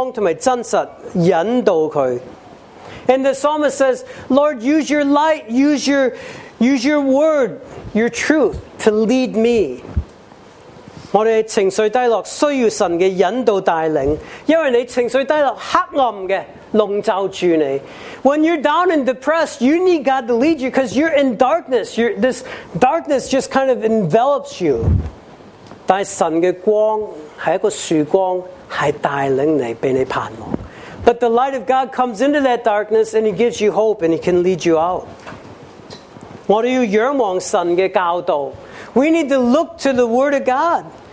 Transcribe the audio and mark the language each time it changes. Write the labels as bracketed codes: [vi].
[zh] 诗人就在这里求神引导他,用神的光和真实引导他。 [en] And the psalmist says, Lord, use your light, use your word, your truth to lead me. [zh] 我们情绪低落需要神的引导带领,因为你情绪低落黑暗的笼罩住你。 [en] When you're down and depressed, you need God to lead you because you're in darkness. This darkness just kind of envelops you. [zh] 但神的光是一个曙光,是带领你,给你盼望。 [en] But the light of God comes into that darkness and He gives you hope and He can lead you out. [zh] 我们要仰望神的教导, [en] we need to look to the Word of God.